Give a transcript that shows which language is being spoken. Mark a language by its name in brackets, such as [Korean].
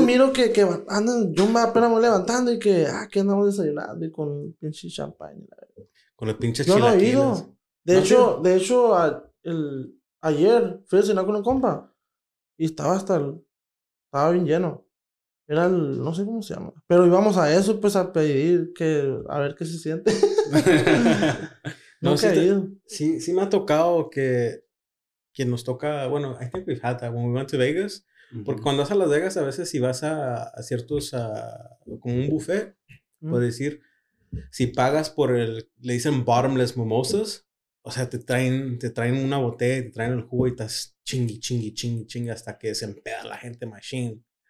[Spanish] miro que andan, yo me apenas voy levantando y que andamos desayunando y con el pinche champagne. La verga. Con el pinche chilaquiles. No lo he ido. De hecho, ayer fui a cenar con un compa y estaba bien lleno. Era el, no sé cómo se llama. Pero íbamos a eso, pues, a pedir que, a ver qué se siente. Sí me ha tocado que nos toca, bueno, [English] I think we've had that when we went to Vegas. Mm-hmm. [Spanish] Porque cuando vas a Las Vegas, a veces si vas a ciertos, como un buffet, mm-hmm. puedes decir, si pagas por le dicen bottomless mimosas, o sea, te traen una botella, te traen el jugo y estás chingui, chingui, chingui, chingui, hasta que se empeda la gente machine.